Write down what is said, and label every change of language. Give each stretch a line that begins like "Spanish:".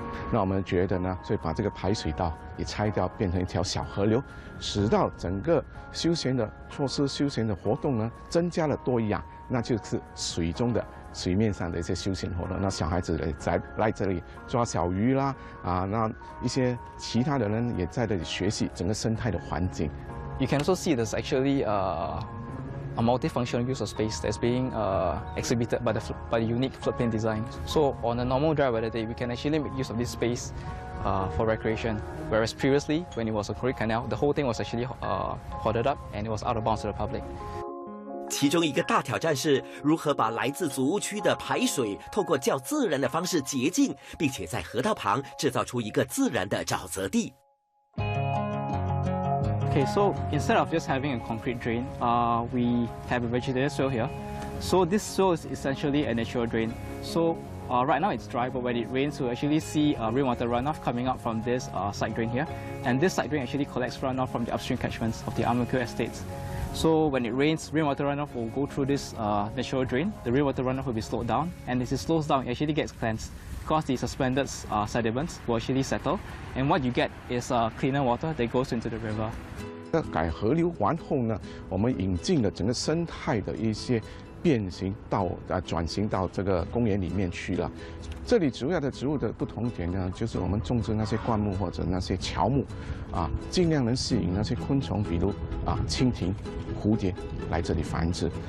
Chinese: 那我们觉得呢，所以把这个排水道也拆掉，变成一条小河流，使到整个休闲的措施、休闲的活动呢，增加了多一样，那就是水中的。水面上的一些休闲活动，那小孩子来这里抓小鱼啦，那一些其他的人也在这里学习整个生态的环境。
English: You can also see there's actually a multifunctional use of space that's being exhibited by the unique floodplain design. So on a normal dry weather day, we can actually make use of this space for recreation. Whereas previously, when it was a creek canal, the whole thing was actually hoarded up and it was out of bounds to the public.
Chinese: 其中一个大挑战是如何把来自祖屋区的排水透过较自然的方式洁净，并且在河道旁制造出一个自然的沼泽地。
English: Okay, so instead of just having a concrete drain, we have a vegetative soil here. So this soil is essentially a natural drain. So right now it's dry, but when it rains, we actually see rainwater runoff coming out from this side drain here. And this side drain actually collects runoff from the upstream catchments of the Amoku estates. So when it rains, rainwater runoff will go through this natural drain. The rainwater runoff will be slowed down. And as it slows down, it actually gets cleansed because the suspended sediments will actually settle. And what you get is cleaner water that goes into the river.
Chinese: 那改河流完后呢，我们引进了整个生态的一些变形到转型到这个公园里面去了。这里主要的植物的不同点呢，就是我们种植那些灌木或者那些乔木尽量能吸引那些昆虫，比如蜻蜓、蝴蝶来这里繁殖。